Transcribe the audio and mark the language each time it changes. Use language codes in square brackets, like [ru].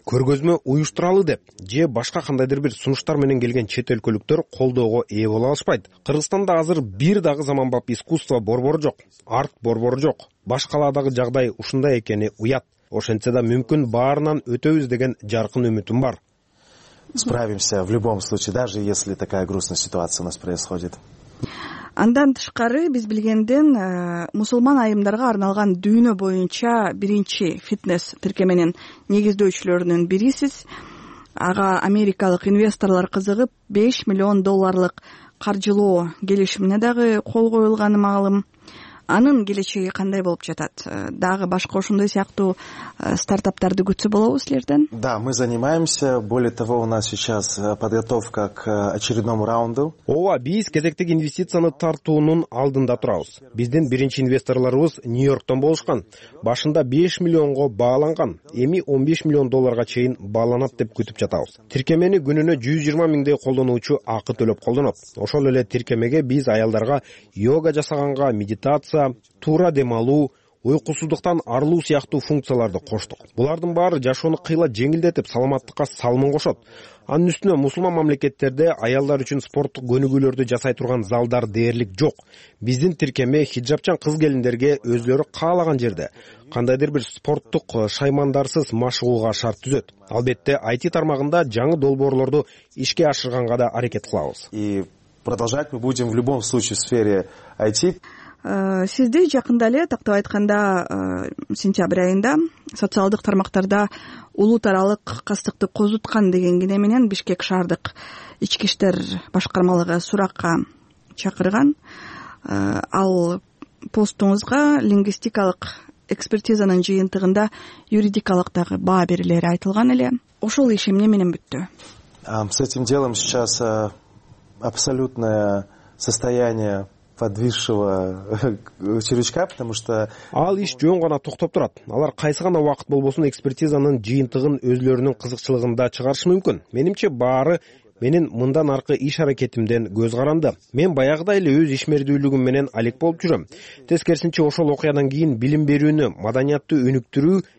[ky] Көргөзмө уюштуралы деп же башка кандайдыр бир сунуштар менен келген чет өлкөлүктөр колдоого ээ боло алышпайт. Кыргызстанда азыр бир дагы заманбап искусство борбору жок, арт борбору жок. Башкалардагы жагдай ушундай экени уят. Ошентсе да мүмкүн баарынан өтөбүз деген жаркын үмүтүм бар. [ru] Справимся в любом случае, даже если такая грустная ситуация у нас происходит. [ky] Андан тышкары биз билгенден мусулман айымдарга арналган дүйнө боюнча биринчи фитнес тиркеменин негиздөөчүлөрүнүн бирисиз. Ага америкалык инвесторлор кызыгып 5 миллион долларлык каржылоо келишимине дагы кол коюлганы маалым. Анын келечеги кандай болуп жатат? Дагы башка ошондой сыяктуу стартаптарды күтсө болобу силерден? [ru] Да, мы занимаемся. Более того, у нас сейчас подготовка к очередному раунду. [ky] Ооба, биз кезектеги инвестицияны тартуунун алдында турабыз. Биздин биринчи инвесторлорубуз Нью-Йорктон болушкан. Башында 5 миллионго бааланган, эми 15 миллион долларга чейин бааланат деп күтүп жатабыз. Тиркемени күнүнө 120 миңдей колдонуучу акы төлөп колдонот. Ошол эле тиркемеге биз аялдарга йога жасаганга, медитация, туура дем алуу, уйкусуздуктан арылуу сыяктуу функцияларды коштук. Булардын баары жашоону кыйла жеңилдетип, саламаттыкка салымын кошот. Анын үстүнө мусулман мамлекеттерде аялдар үчүн спорттук көнүгүүлөрдү жасай турган залдар дээрлик жок. Биздин тиркеме хиджапчан кыз келиндерге өзлөрү каалаган жерде кандайдыр бир спорттук шаймандарсыз машыгууга шарт түзөт. Албетте, IT тармагында жаңы долбоорлорду ишке ашырганга да аракет кылабыз. [ru] И продолжать мы будем в любом случае в сфере IT. [ky] Сизди жакында эле тактап айтканда сентябрь айында социалдык тармактарда улут таралык кастыкты козуткан деген кине менен Бишкек шаардык ички иштер башкармалыгы суракка чакырган. Ал постуңузга лингвистикалык экспертизанын жыйынтыгында юридикалык дагы баа берилери айтылган эле. Ошол иш эмне менен бүттү? [ru] С этим делом сейчас абсолютное состояние подвисшего червячка, потому что [ky] ал иш жөн гана токтоп турат. Алар кайсы гана убакыт болбосун экспертизанын жыйынтыгын өзлөрүнүн кызыкчылыгында чыгарышы мүмкүн. Менимче баары менин мындан аркы иш аракетимден көз каранды. Мен баягыдай эле өз ишмердүүлүгүм менен алек болуп жүрөм. Тескерисинче ошол окуядан кийин билим берүүнү, маданиятты өнүктүрүү